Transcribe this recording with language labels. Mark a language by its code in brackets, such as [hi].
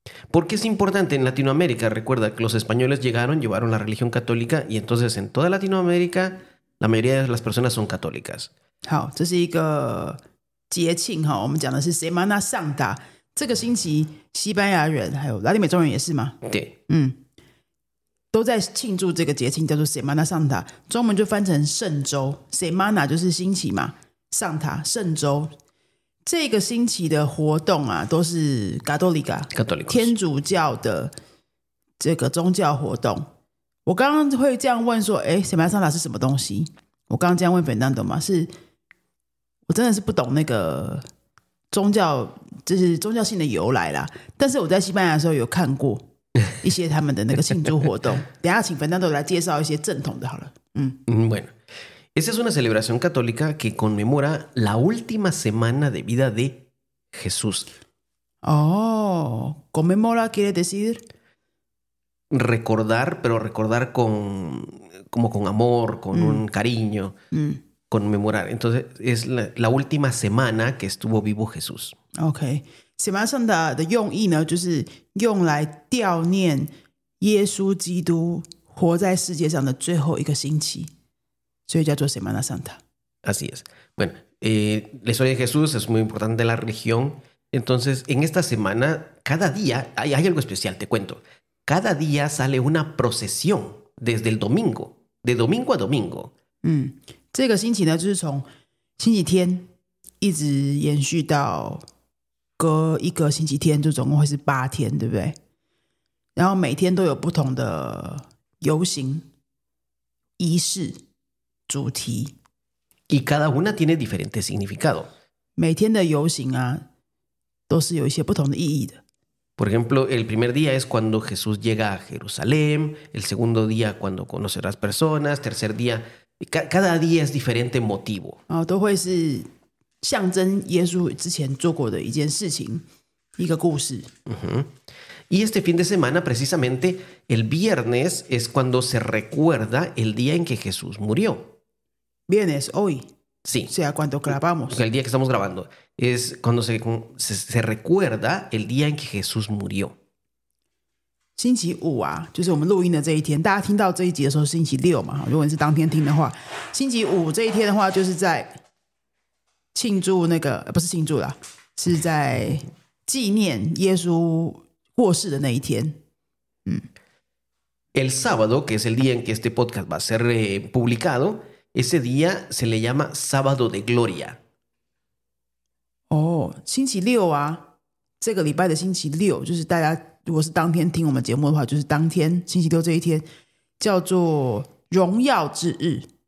[es] ¿Por qué es importante en Latinoamérica? Recuerda que los españoles llevaron la religión católica y entonces en toda Latinoamérica la mayoría de las personas son católicas. [zh] 好, 这是一个节庆, 好, 我们讲的是 Semana Santa. 这个星期, 西班牙人, 还有拉丁美洲人也是吗? 对。都在庆祝这个节庆叫做 Semana Santa, 中文就翻成圣周, Semana 就是星期嘛, Santa, 圣周。这个星期的活动啊, 都是 Católica, 天主教的这个宗教活动。我刚刚会这样问说, 诶, Semana Santa是什么东西?我刚刚这样问Fernando嘛, 是, 我真的是不懂那个, 宗教, 就是宗教性的由来啦, 但是我在西班牙的时候有看过, 一些他们的那个庆祝活动。等一下请Fernando来介绍一些正统的好了。 [es] Bueno, esa es una celebración católica que conmemora la última semana de vida de Jesús. Oh, conmemora quiere decir recordar, pero recordar con como con amor, con un cariño, conmemorar. Entonces, es la última semana que estuvo vivo Jesús. Ok. [zh] Semana Santa 的用意呢, 就是用来悼念耶稣基督活在世界上的最后一个星期, 所以叫做 Semana Santa. [es] Así es. Bueno, la historia de Jesús es muy importante en la religión. Entonces, en esta semana, cada día, hay algo especial, te cuento. Cada día sale una procesión desde el domingo, de domingo a domingo. [zh] 这个星期呢, 就是从星期天一直延续到 隔一个星期天就总共会是八天，对不对？然后每天都有不同的游行仪式主题。 [es] Y cada una tiene diferente significado. [zh] 每天的游行啊, 都是有一些不同的意义的。 [es] Por ejemplo, el primer día es cuando Jesús llega a Jerusalén, el segundo día cuando conoce a las personas, tercer día, cada día es diferente motivo. [zh] 都会是 象征耶稣之前做过的一件事情，一个故事。 [es] Y este fin de semana, precisamente, el viernes es cuando se recuerda el día en que Jesús murió. Viernes, hoy. Sí. O sea, cuando grabamos. El día que estamos grabando. Es cuando se recuerda el día en que Jesús murió. [zh] 星期五啊, 就是我们录音的这一天, 大家听到这一集的时候是星期六嘛, 如果你是当天听的话, 星期五这一天的话, 就是在 庆祝那个, 不是庆祝啦, 是在纪念耶稣过世的那一天。 [es] El sábado, que es el día en que este podcast va a ser publicado, ese día se le llama Sábado de Gloria. [zh] Oh, 星期六啊, 这个礼拜的星期六, 就是大家如果是当天听我们节目的话, 就是当天, 星期六这一天, 叫做荣耀之日。